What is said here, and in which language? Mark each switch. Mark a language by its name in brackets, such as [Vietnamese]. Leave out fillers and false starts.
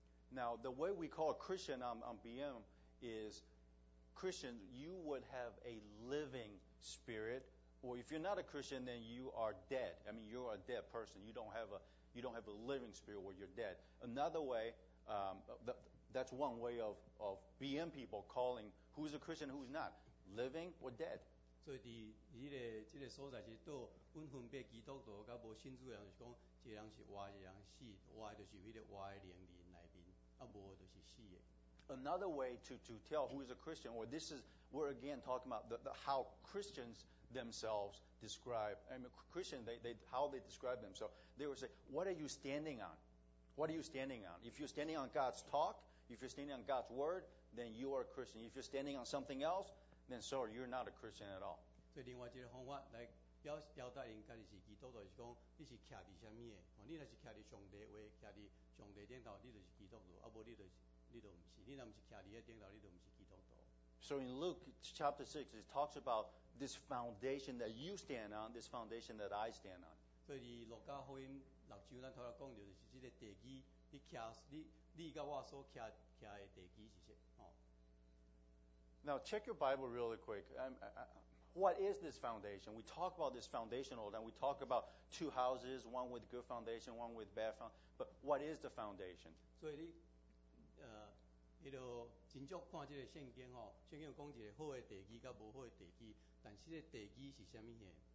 [English] Now, the way we call a Christian on BM is Christian, you would have a living spirit, or if you're not a Christian, then you are dead. I mean, you're a dead person. You don't have a living spirit or you're dead. Another way, that's one way of BM people calling who's a Christian, who's not, living or dead. [Min Nan Chinese] 所以伫这个所在，是到阮分别基督徒甲无信主人，就是讲，一人是活，一人死，活就是迄个活的灵里内面，啊无就是死的。 [English] Another way to tell who is a Christian, or this is we're again talking about the how Christians themselves describe. I mean, Christian, they how they describe themselves. They would say, "What are you standing on? What are you standing on? If you're standing on God's talk, if you're standing on God's word, then you are a Christian. If you're standing on something else, then sorry, you're not a Christian at all. [Min Nan Chinese] 所以另外一个方法来表达人家的是基督徒，就是讲你是徛伫啥物的？哦，你若是徛伫上帝话，徛伫上帝顶头，你就是基督徒；啊，无你就是你都唔是。你若唔是徛伫迄顶头，你都唔是基督徒。 [English] So in Luke chapter 6, it talks about this foundation that you stand on, this foundation that I stand on. [Min Nan Chinese] 所以路加福音六章，咱头来讲到就是这个地基，你徛你甲我所徛的地基是啥？哦。 [English] Now check your Bible really quick. What is this foundation? We talk about this foundation all the time. We talk about two houses, one with good foundation, one with bad foundation. But what is the foundation? So you, [Min Nan Chinese] 真足看这个圣经吼，圣经讲一个好的地基甲无好的地基，但是这地基是啥物嘢